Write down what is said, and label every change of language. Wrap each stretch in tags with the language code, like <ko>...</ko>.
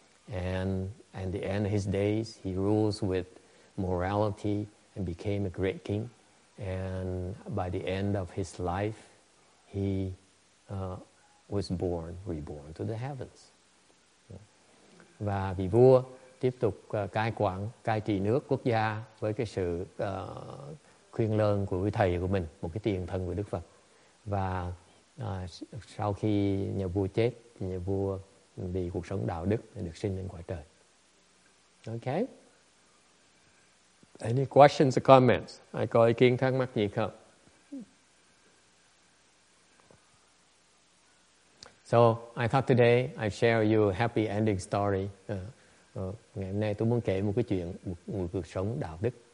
<en>And the end of his days, he rules with morality and became a great king. And by the end of his life, he was reborn to the heavens.</en> <vi>Và vị vua tiếp tục cai quản, cai trị nước, quốc gia với cái sự khuyên lơn của vị thầy của mình, một cái tiền thân của Đức Phật. Và sau khi nhà vua chết, nhà vua vì cuộc sống đạo đức được sinh lên quả trời.</vi> <en>Okay. Any questions or comments?</en> <vi>Ai có ý kiến thắc mắc gì không?</vi> <en>So I thought today I share with you a happy ending story.</en> <vi>Ngày hôm nay tôi muốn kể một cái chuyện, một cuộc sống đạo đức.</vi>